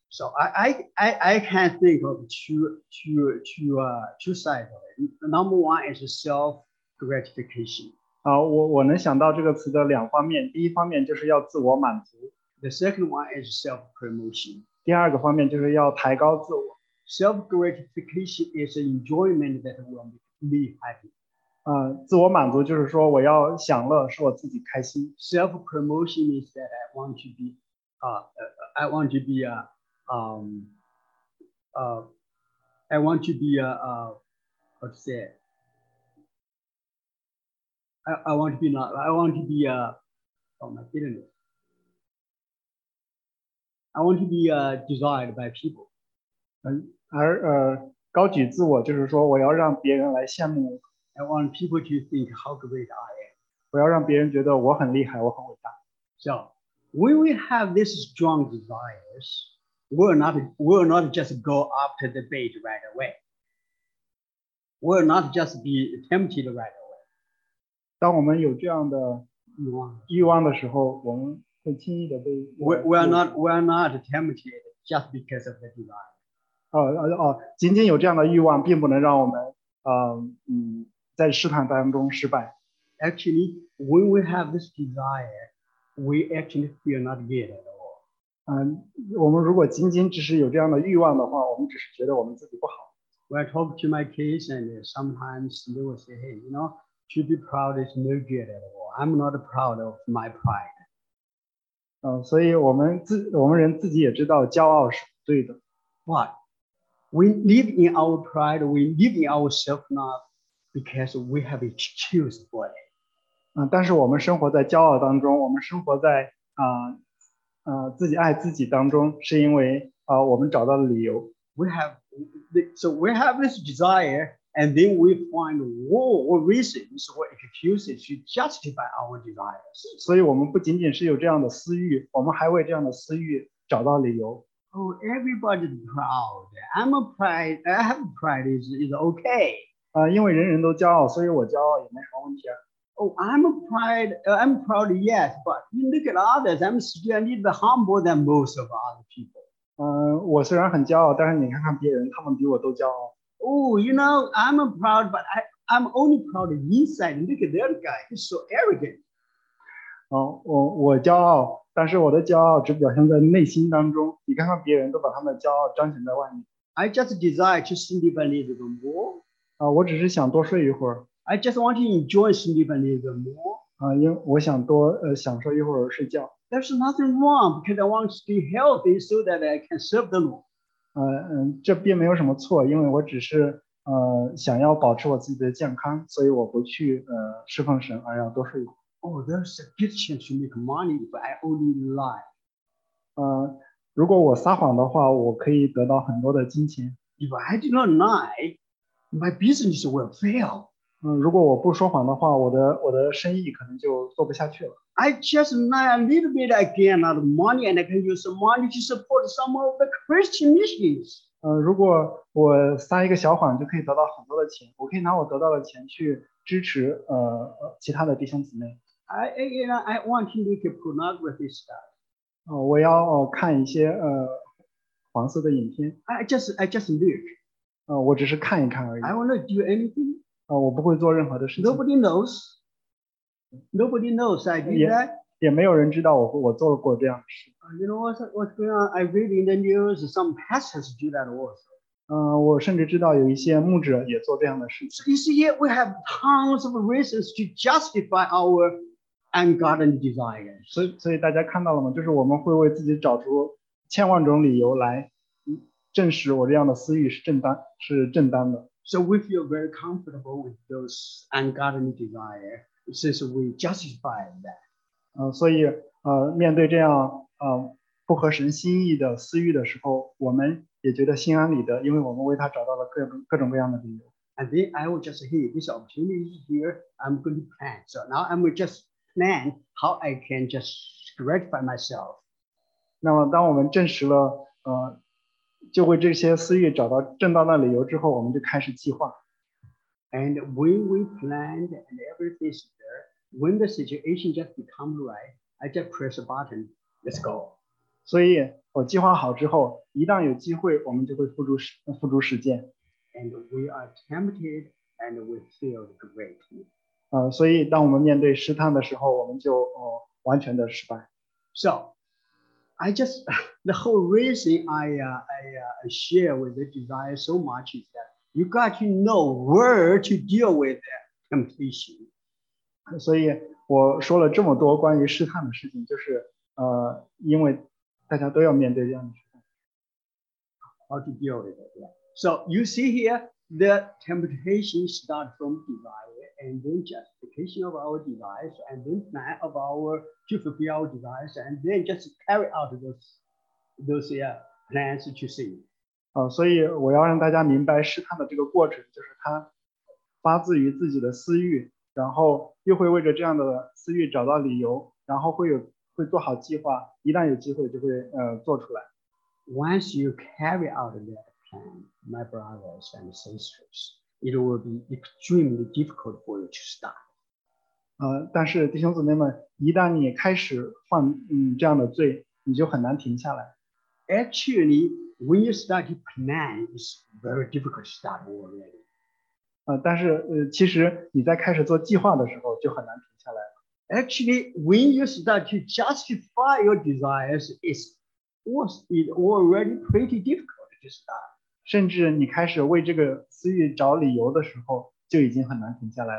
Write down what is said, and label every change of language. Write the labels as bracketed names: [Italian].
[English] So I can think of two sides of it. Number one is self gratification. [Chinese] 我能想到这个词的两方面。第一方面就是要自我满足。 [English] The second one is self promotion. [Chinese] 第二个方面就是要抬高自我。 [English] Self gratification is an enjoyment that will make me happy. [Chinese] 自我满足就是说我要享乐，使我自己开心。 [English] Self promotion is that I want to be I want to be desired by people. [Chinese] 高举自我就是说我要让别人来羡慕我。 [English] I want people to think how great I am. [Chinese] 我要让别人觉得我很厉害，我很伟大。 [English] So, when we have these strong desires, we will not just go after the bait right away. We will not just be tempted right away. [Chinese] 当我们有这样的欲望的时候，我们会轻易的被。 [English] We are not tempted just because of the desire. [Chinese] 仅仅有这样的欲望，并不能让我们在试探当中失败。 [English] Actually, when we have this desire, we actually feel not good at all. [Chinese] 我们如果仅仅只是有这样的欲望的话，我们只是觉得我们自己不好。 [English] When I talk to my kids, and sometimes they will say, "Hey, you know, to be proud is no good at all. I'm not proud of my pride." [Chinese] 所以我们人自己也知道骄傲是不对的。 [English] Why? We live in our pride. We live in our self love. Because we have excuse for it. [Chinese] 但是我们生活在骄傲当中，我们生活在自己爱自己当中，是因为我们找到了理由。 [English] We have this desire, and then we find more reasons or excuses to justify our desires. [Chinese] 所以我们不仅仅是有这样的私欲，我们还为这样的私欲找到理由。 [English] Oh, everybody's proud. I'm a pride. I have pride. Is okay. [Chinese] 因为人人都骄傲，所以我骄傲也没什么问题啊。 [English] I'm proud, yes, but you look at others, I'm still a little bit humble than most of other people. [Chinese] 我虽然很骄傲，但是你看看别人，他们比我都骄傲。 [English] Oh, you know, I'm proud, but I'm only proud inside. Look at that guy, he's so arrogant. [Chinese] 我骄傲，但是我的骄傲只表现在内心当中，你看看别人都把他们的骄傲彰显在外面。 [English] I just desire to sleep a little bit more. [Chinese] 我只是想多睡一会儿。 [English] I just want to enjoy sleep a little more. [Chinese] 因为我想多享受一会儿睡觉。 [English] There's nothing wrong because I want to be healthy so that I can serve the Lord. [Chinese] 这并没有什么错，因为我只是想要保持我自己的健康，所以我不去侍奉神，而要多睡一会儿。 [English] Oh, there's a good chance to make money, but I only lie. [Chinese] 如果我撒谎的话，我可以得到很多的金钱。 [English] If I do not lie, my business will fail. [Chinese] 如果我不说谎的话，我的生意可能就做不下去了。 [English] I just lie a little bit again on the money, and I can use the money to support some of the Christian missions. [Chinese] 如果我撒一个小谎，就可以得到很多的钱。我可以拿我得到的钱去支持其他的弟兄姊妹。 [English] I want to look at pornography stuff. [Chinese] 我要看一些黄色的影片。 [English] I just look. [Chinese] 我只是看一看而已。 [English] I want to do anything. [Chinese] 我不会做任何的事情。 [English] Nobody knows I did that. [Chinese] 也没有人知道我做过这样的事。 [English] You know what's going on? I read in the news some pastors do that also. [Chinese] 我甚至知道有一些牧者也做这样的事情。 [English] So you see, we have tons of reasons to justify our ungodly desires. [Chinese] 所以大家看到了吗？就是我们会为自己找出千万种理由来证实我这样的私欲是正当的。 [English] So we feel very comfortable with those ungodly desire since we justify that. [Chinese] 面对这样不合神心意的私欲的时候，我们也觉得心安理得，因为我们为他找到了各种各样的理由。 [English] And then I will just hear this opportunity here. I'm going to plan. So now I'm going to just plan how I can just gratify myself. [Chinese] 那么当我们证实了就为这些私欲找到正当的理由之后，我们就开始计划。 [English] And when we planned and everything is there, when the situation just becomes right, I just press a button, let's go. [Chinese] 所以我计划好之后，一旦有机会，我们就会付诸实践。 [English] And we are tempted and we feel great. [Chinese] 所以当我们面对试探的时候，我们就完全的失败。 [English] So. I just, the whole reason I share with the desire so much is that you got to know where to deal with that temptation. [Chinese] 所以我说了这么多关于试探的事情，就是因为大家都要面对这样的试探。 [English] How to deal with it, yeah. So you see here, the temptation starts from desire and then justification of our desires and then plan of our... to fulfill our desires and then just carry out those plans to see. [Chinese] 所以我要让大家明白试探的这个过程，就是它发自于自己的私欲，然后又会为着这样的私欲找到理由，然后会做好计划，一旦有机会就会做出来。 [English] once you carry out that plan, my brothers and sisters, it will be extremely difficult for you to stop. [Chinese] 但是弟兄姊妹们，一旦你开始犯这样的罪，你就很难停下来。 [English] Actually, when you start to plan, it's very difficult to stop already. [Chinese] 但是其实你在开始做计划的时候就很难停下来。 [English] Actually, when you start to justify your desires, it's already pretty difficult to stop. [Chinese] 甚至你开始为这个私欲找理由的时候，就已经很难停下来。